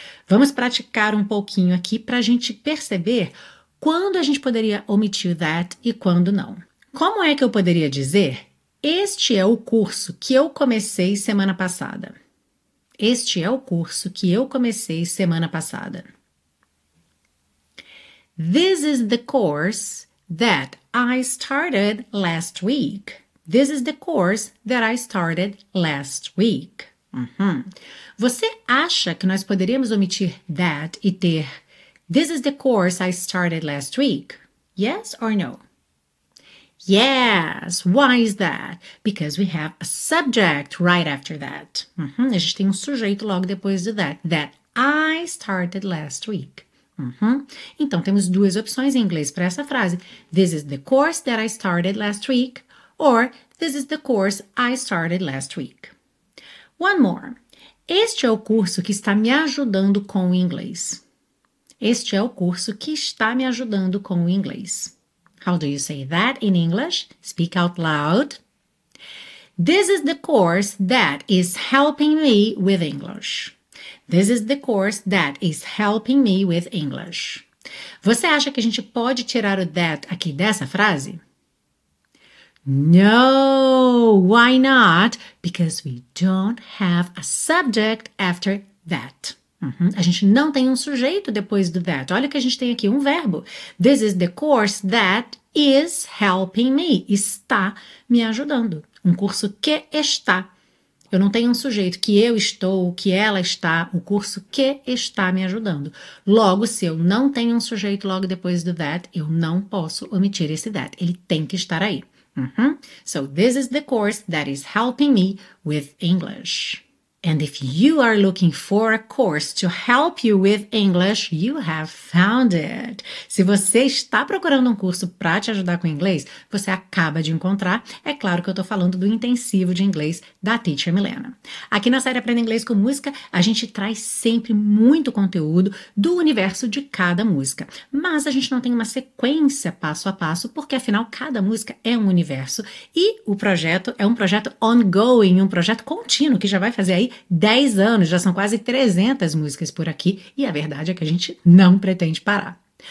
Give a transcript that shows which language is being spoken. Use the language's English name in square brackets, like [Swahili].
[Portuguese] Vamos praticar um pouquinho aqui para a gente perceber quando a gente poderia omitir that e quando não. Como é que eu poderia dizer: este é o curso que eu comecei semana passada? Este é o curso que eu comecei semana passada. [English] This is the course that I started last week. This is the course that I started last week. [Portuguese] Você acha que nós poderíamos omitir that e ter [English] This is the course I started last week? Yes or no? Yes! Why is that? Because we have a subject right after that. [Portuguese] A gente tem um sujeito logo depois do that. [English] That I started last week. [Portuguese] Então temos duas opções em inglês para essa frase: [English] This is the course that I started last week, or This is the course I started last week. One more. [Portuguese] Este é o curso que está me ajudando com o inglês. Este é o curso que está me ajudando com o inglês. [English] How do you say that in English? Speak out loud. This is the course that is helping me with English. This is the course that is helping me with English. [Portuguese] Você acha que a gente pode tirar o that aqui dessa frase? [English] No, why not? Because we don't have a subject after that. [Portuguese] A gente não tem um sujeito depois do that. Olha o que a gente tem aqui, um verbo. [English] This is the course that is helping me. [Portuguese] Está me ajudando. Um curso que está. Eu não tenho um sujeito que eu estou, que ela está. O curso que está me ajudando. Logo, se eu não tenho um sujeito logo depois do that, eu não posso omitir esse that. Ele tem que estar aí. [English] So, this is the course that is helping me with English. And if you are looking for a course to help you with English, you have found it. [Portuguese] Se você está procurando um curso para te ajudar com inglês, você acaba de encontrar. É claro que eu estou falando do intensivo de inglês da Teacher Milena. Aqui na série Aprenda Inglês com Música, a gente traz sempre muito conteúdo do universo de cada música. Mas a gente não tem uma sequência passo a passo, porque afinal cada música é um universo e o projeto é um projeto ongoing, um projeto contínuo, que já vai fazer aí 10 anos, já são quase 300 músicas por aqui, e a verdade é que a gente não pretende parar.